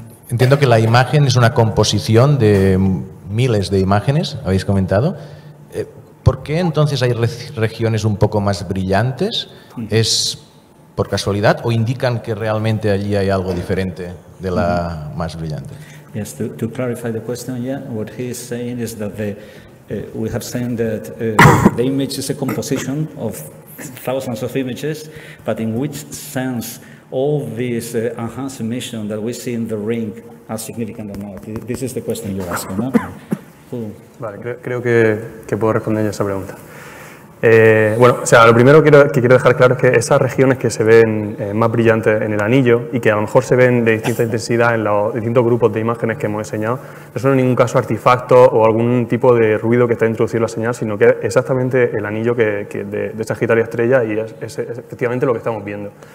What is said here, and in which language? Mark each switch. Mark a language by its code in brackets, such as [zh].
[es] Entiendo que la imagen es una composición de miles de imágenes, habéis comentado. ¿Por qué entonces hay regiones un poco más brillantes? ¿Es por casualidad o indican que realmente allí hay algo diferente de la más brillante? [en] Yes, to clarify the question, yeah, what he is saying is that we have seen that the image is a composition of thousands of images, but in which sense all this enhanced emission that we see in the ring are significant or not? This is the question you're asking, no? [es] Vale, creo que puedo responder ya esa pregunta. Bueno, o sea, lo primero que quiero dejar claro es que esas regiones que se ven más brillantes en el anillo y que a lo mejor se ven de distinta intensidad en los distintos grupos de imágenes que hemos enseñado, no son en ningún caso artefactos o algún tipo de ruido que está introduciendo la señal, sino que es exactamente el anillo de Sagitario Estrella y es efectivamente lo que estamos viendo.